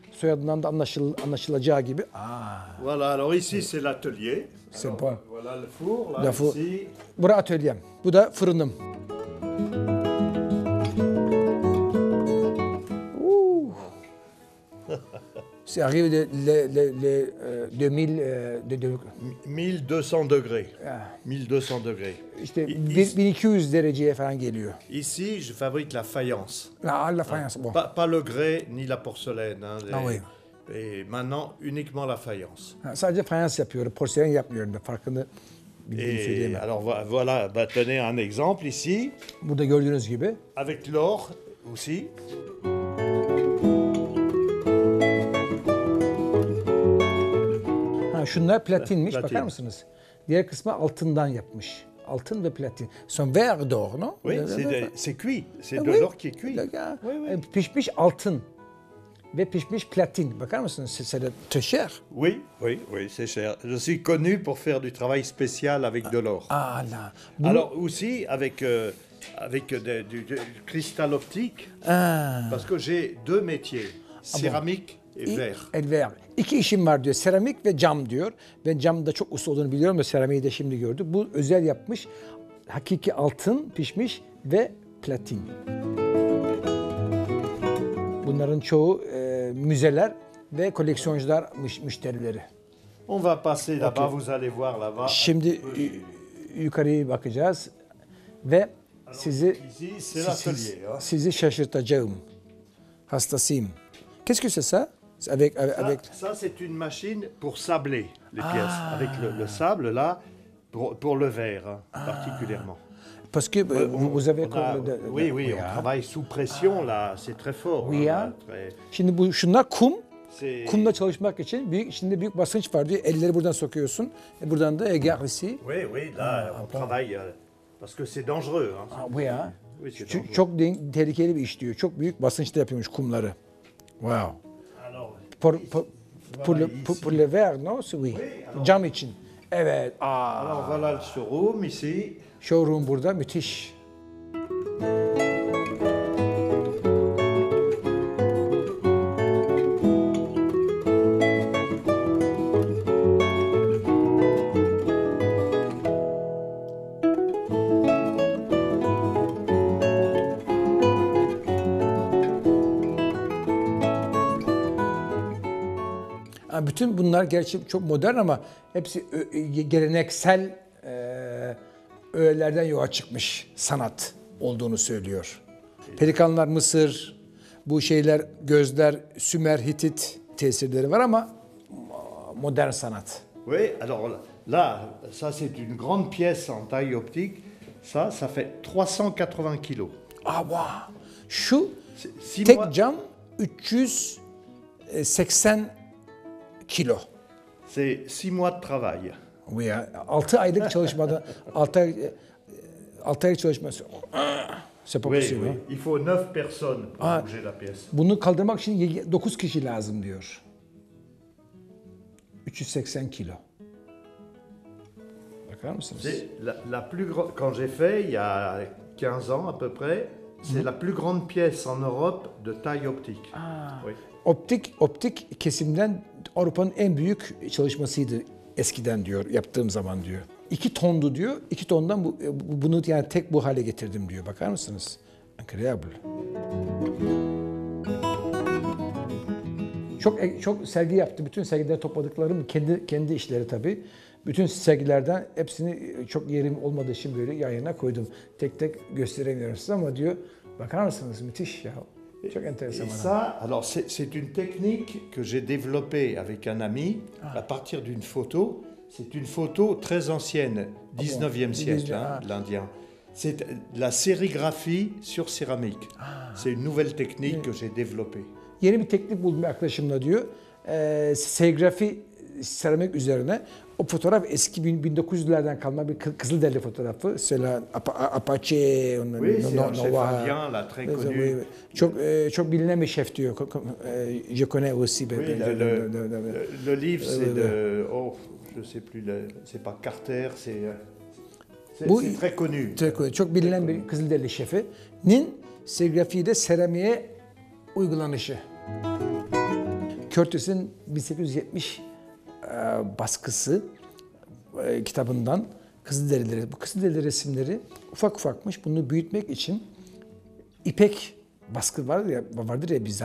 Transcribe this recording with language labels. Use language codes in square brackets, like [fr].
[tr] Soyadından da anlaşılacağı gibi. [fr] Voilà, alors ici c'est l'atelier. C'est bon. Voilà le four, là ici. [tr] Burası atölyem. Bu da fırınım. [fr] C'est arrivé le 1200 degrés. 1200 degrés. [tr] İşte 1200 dereceye falan geliyor. [fr] Ici, je fabrique la faïence. La faïence, bon. Pas le grès ni la porcelaine. Ah oui. Et maintenant, uniquement la faïence. [tr] Sadece fayans yapıyorum, porcelain yapmıyorum. Farkını bilmiyorum. [fr] Alors voilà, bah, tenez un exemple ici. [tr] Burada gördüğünüz gibi. [fr] Avec l'or aussi. [tr] Şunlar platinmiş, platin. Bakar mısınız? Diğer kısmı altından yapmış. Altın ve platin. [fr] Son verre d'or, no? Oui, c'est cuit. C'est de l'or qui est cuit. [tr] Pişmiş altın ve pişmiş platin. Bakar mısınız? [fr] C'est très cher. Oui, oui, oui, c'est cher. Je suis connu pour faire du travail spécial avec de l'or. Ah là. Alors aussi avec du cristal optique. Parce que j'ai deux métiers. Céramique. [tr] Elver. İki işim var diyor. Seramik ve cam diyor. Ben camda çok usta olduğunu biliyorum da seramiği de şimdi gördüm. Bu özel yapmış. Hakiki altın pişmiş ve platin. Bunların çoğu müzeler ve koleksiyoncular müşterileri. [fr] On va passer là-bas, okay. Vous allez voir là-bas. [tr] Şimdi yukarıya bakacağız ve sizi sizi şaşırtacağım. Hastasıyım. [fr] Qu'est-ce que c'est ça? Avec ça c'est une machine pour sabler les pièces avec le sable là pour le verre particulièrement. Parce que vous avez oui, on travaille sous pression là, c'est très fort. Oui, hein, très... [tr] Şimdi bu şunlar kum. Kumla çalışmak için büyük, şimdi büyük basınç var diyor. Elleri buradan sokuyorsun. Buradan da egarisi. [fr] Oui, oui, là on travaille parce que c'est dangereux hein. Ah, oui, hein. Oui, c'est [tr] çok tehlikeli bir iş diyor. Çok büyük basınçla yapıyormuş kumları. Wow. [fr] Pour le verre, non, c'est oui. [tr] Cam için. Evet. [fr] Alors voilà le showroom ici. [tr] Showroom burada müthiş. Bütün bunlar gerçi çok modern ama hepsi geleneksel öğelerden yola çıkmış sanat olduğunu söylüyor. Pelikanlar Mısır, bu şeyler gözler Sümer, Hitit tesirleri var ama modern sanat. [fr] Oui, alors là ça c'est une grande pièce en taille optique. Ça fait 380 kilo. [tr] Ah wow. Şu tek cam 380 kilo. [fr] C'est 6 mois de travail. [tr] Oui, 6 aylık çalışmadan 6 aylık çalışması. [fr] C'est pas possible. Oui, il faut 9 personnes pour bouger la pièce. [tr] Bunu kaldırmak için 9 kişi lazım diyor. 380 kilo. Bakar mısınız? [fr] C'est la plus grande quand j'ai fait il y a 15 ans à peu près, c'est la plus grande pièce en Europe de taille optique. Ah. Oui. [tr] Optik kesimden Avrupa'nın en büyük çalışmasıydı eskiden diyor, yaptığım zaman diyor. 2 tondu diyor, 2 tondan bunu yani tek bu hale getirdim diyor. Bakar mısınız? Incredible. Çok sergi yaptı, bütün sergilerde topladıklarım kendi işleri tabii. Bütün sergilerden hepsini çok yerim olmadığı için böyle yan yana koydum. Tek tek gösteremiyorum size ama diyor, bakar mısınız? Müthiş ya. [fr] Et ça, alors c'est une technique que j'ai développée avec un ami à partir d'une photo. C'est une photo très ancienne, 19e siècle, hein, l'Indien. C'est la sérigraphie sur céramique. C'est une nouvelle technique que j'ai développée. [tr] Yeni bir teknik buldum arkadaşımla diyor. Sérigraphie seramik üzerine. O fotoğraf eski 1900'lerden kalma bir Kızılderili fotoğrafı. [fr] Cela Apache [tr] onun [fr] Indien la très connu. [tr] Çok bilinen bir şef diyor. [fr] Je connais aussi le livre c'est de oh je sais plus c'est pas Carter c'est très connu. [tr] Çok bilinen bir Kızılderili şefinin serigrafiyle seramiğe uygulanışı. Curtis'in 1870 baskısı kitabından Kızılderili. Bu Kızılderili resimleri ufak ufakmış. Bunu büyütmek için ipek baskı vardır ya bizde.